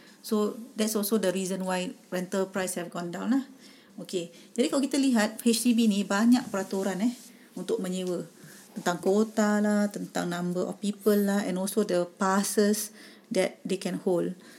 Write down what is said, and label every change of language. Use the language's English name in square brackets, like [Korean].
[English] So that's also the reason why rental price have gone down lah. Okay. [Malay] Jadi kalau kita lihat HDB ni banyak peraturan untuk menyewa. Tentang kuota lah, tentang [English] number of people [Malay] lah, [English] and also the passes that they can hold.